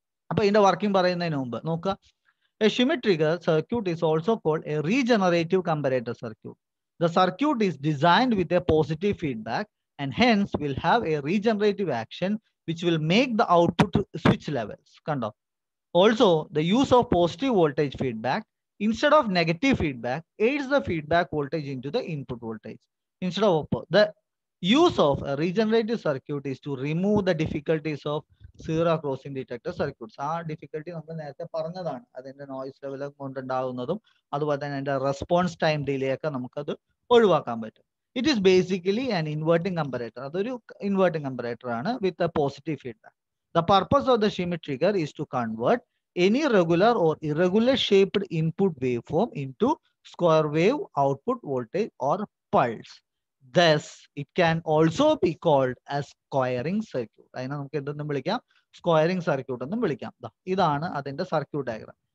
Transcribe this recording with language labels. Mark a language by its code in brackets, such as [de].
[ml] അപ്പോൾ ഇതിൻ്റെ വർക്കിംഗ് പറയുന്നതിന് മുമ്പ് നോക്കുക. [en] A Schmitt trigger circuit is also called a regenerative comparator circuit. The circuit is designed with a positive feedback and hence will have a regenerative action which will make the output switch levels. കണ്ടോ, also the use of positive voltage feedback instead of negative feedback aids the feedback voltage into the input voltage. instead of the use of a regenerative circuit is to remove the difficulties of zero crossing detector circuits. [ml] ആ difficulty നമ്മൾ നേരത്തെ പറഞ്ഞതാണ്, അതിന്റെ noise level കൊണ്ടുണ്ടാകുന്നതും അതുപോലെ തന്നെ അതിന്റെ response time delay ഒക്കെ നമുക്കത് ഒഴിവാക്കാൻ പറ്റും. [en] it is basically an inverting comparator, [ml] അതൊരു ഇൻവേർട്ടിംഗ് കമ്പറേറ്റർ ആണ് [en] With a positive feedback. The purpose of the Schmitt trigger is to convert any regular or irregular shaped input wave form into square wave output voltage or pulse. Thus, it can also be called as squaring circuit. [ml] അതിനെ നമുക്ക് എന്തെന്ന് വിളിക്കാം, squaring circuit എന്നും വിളിക്കാം. ഇതാണ് അതിന്റെ circuit diagram.